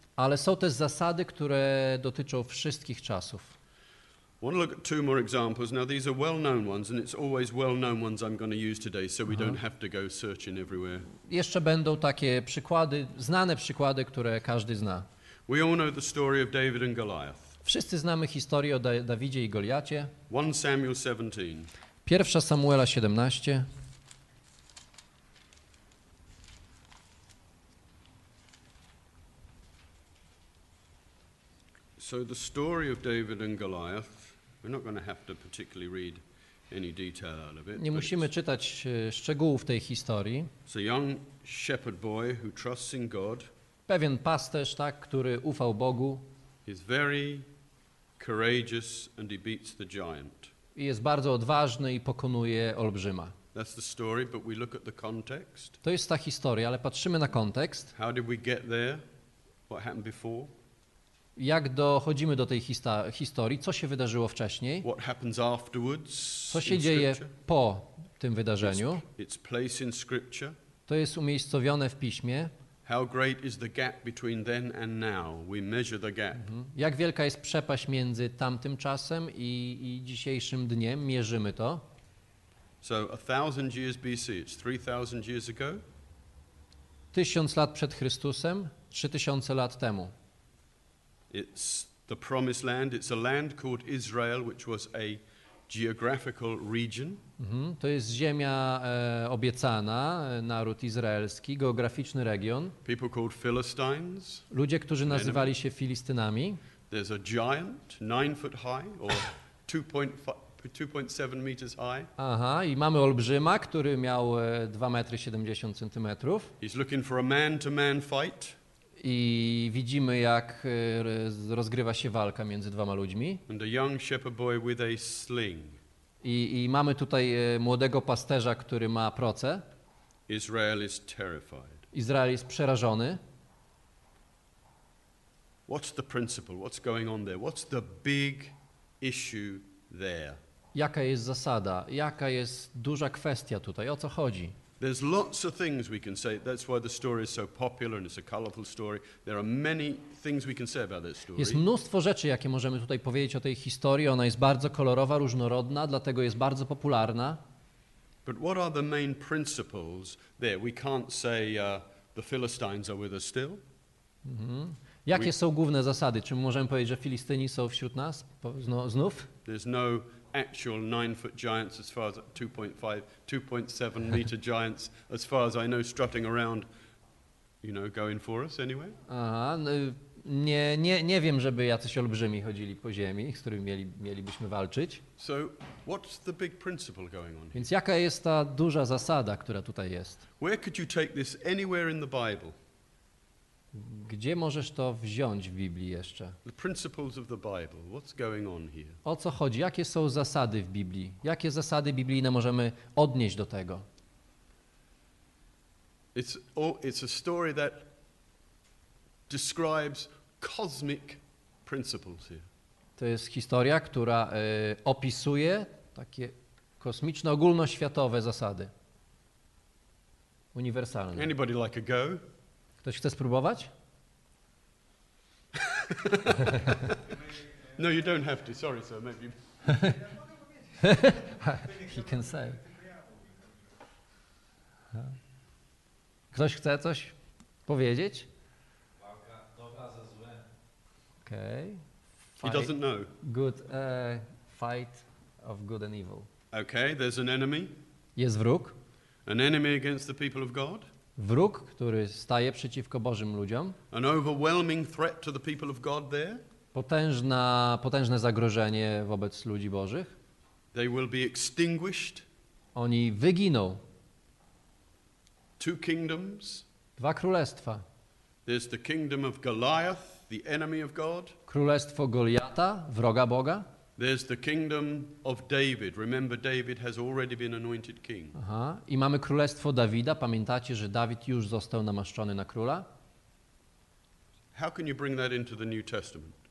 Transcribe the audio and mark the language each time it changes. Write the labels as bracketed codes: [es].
[pl] Ale są też zasady, które dotyczą wszystkich czasów. [en] I want to look at two more examples. Now these are well-known ones and it's always well-known ones I'm going to use today so we don't have to go searching everywhere. [pl] Jeszcze będą takie przykłady, znane przykłady, które każdy zna. [en] We all know the story of David and Goliath. [pl] Wszyscy znamy historię o Dawidzie i Goliacie. [en] 1 Samuel 17. [pl] 1 Samuela 17. [en] So the story of David and Goliath, we're not going to have to particularly read any detail out of it. [pl] Nie musimy czytać szczegółów tej historii. [en] It's a young shepherd boy who trusts in God. [pl] Pewien pasterz, tak, który ufał Bogu. [en] He's very courageous and he beats the giant. [pl] I jest bardzo odważny i pokonuje olbrzyma. [en] That's the story, but we look at the context. [pl] To jest ta historia, ale patrzymy na kontekst. [en] How did we get there? What happened before? [pl] Jak dochodzimy do tej historii? Co się wydarzyło wcześniej? [en] What happens afterwards? [pl] Co się dzieje po tym wydarzeniu? [en] It's place in scripture. [pl] To jest umiejscowione w piśmie. [en] How great is the gap between then and now? We measure the gap. [pl] Jak wielka jest przepaść między tamtym czasem i dzisiejszym dniem? Mierzymy to. [en] So 1000 years BC, it's 3000 years ago. [pl] 1000 lat przed Chrystusem, 3000 lat temu. [en] It's the promised land. It's a land called Israel, which was a geographical region. [pl] To jest ziemia obiecana, naród izraelski, geograficzny region. [en] People called Philistines. [pl] Ludzie, którzy nazywali się Filistynami. [en] There's a giant, 9 foot high, or 2.7 meters high. [pl] Aha, i mamy olbrzyma, który miał 2 metry 70 centymetrów. [en] He's looking for a man-to-man fight. [pl] I widzimy, jak rozgrywa się walka między dwoma ludźmi. [en] And a young shepherd boy with a sling. [pl] I mamy tutaj młodego pasterza, który ma proce. [en] Israel is terrified. [pl] Izrael jest przerażony. [en] What's the principle? What's going on there? What's the big issue there? [pl] Jaka jest zasada? Jaka jest duża kwestia tutaj? O co chodzi? [en] There's lots of things we can say. That's why the story is so popular and it's a colorful story. There are many things we can say about that story. [pl] Jest mnóstwo rzeczy, jakie możemy tutaj powiedzieć o tej historii. Ona jest bardzo kolorowa, różnorodna, dlatego jest bardzo popularna. [en] But what are the main principles there? We can't say the Philistines are with us still. [pl] Mm-hmm. Jakie są główne zasady? Czy możemy powiedzieć, że Filistyni są wśród nas znów? [en] There's no actual 9-foot giants as far as 2.5-2.7-meter giants as far as I know strutting around, you know, going for us anyway. [pl] Aha, no, nie wiem, żeby jacyś olbrzymi chodzili po ziemi, z którymi mielibyśmy walczyć. [en] So what's the big principle going on here? [pl] Więc jaka jest ta duża zasada, która tutaj jest? [en] Where could you take this anywhere in the Bible? [pl] Gdzie możesz to wziąć w Biblii jeszcze? [en] The principles of the Bible. What's going on here? [pl] O co chodzi? Jakie są zasady w Biblii? Jakie zasady biblijne możemy odnieść do tego? [en] It's a story that describes cosmic principles here. [pl] To jest historia, która opisuje takie kosmiczne, ogólnoświatowe zasady. Uniwersalne. [en] Anybody like a go? [pl] Ktoś chce spróbować? [en] No, you don't have to. Sorry, sir. Maybe. He can say. [pl] Ktoś chce coś powiedzieć? Walka dobra ze złem. Okay. [en] Fight. He doesn't know. Good fight of good and evil. Okay, there's an enemy. [pl] Jest wróg. [en] An enemy against the people of God. [pl] Wróg, który staje przeciwko Bożym ludziom. [en] An overwhelming threat to the people of God there. [pl] Potężne zagrożenie wobec ludzi Bożych. [en] They will be extinguished. [pl] Oni wyginą. [en] Two kingdoms. [pl] Dwa królestwa. [en] There's the kingdom of Goliath, the enemy of God. [pl] Królestwo Goliata, wroga Boga. [en] There's the kingdom of David. Remember, David has already been anointed king. Aha. [pl] I mamy królestwo Dawida. Pamiętacie, że Dawid już został namaszczony na króla? [en] How can you bring that into the New Testament?